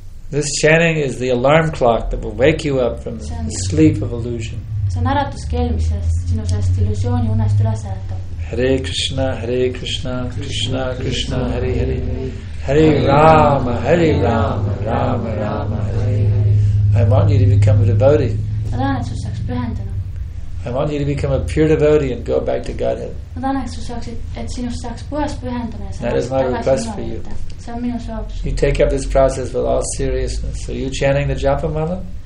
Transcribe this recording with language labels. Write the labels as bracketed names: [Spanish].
[English] This chanting is the alarm clock that will wake you up from the sleep of illusion. [Estonian] See on äratuskeel, mis sinu sellest illusiooni unest üles äratab. [Sanskrit] Hare Krishna, Krishna, Krishna, Hare Hare. Hare Rama, Hare Rama, Rama, Rama, Hare Hare. [English] I want you to become a devotee. [Estonian] Ma tahan, et sa saaks pühenduda. [English] I want you to become a pure devotee and go back to Godhead. [Estonian] Ma tahan, et sa saaks, et sinust saaks puhas pühenduda. [English] That is my request for you. [Estonian] See on minu soovus. [English] You take up this process with all seriousness. So are you chanting the Japa Mala?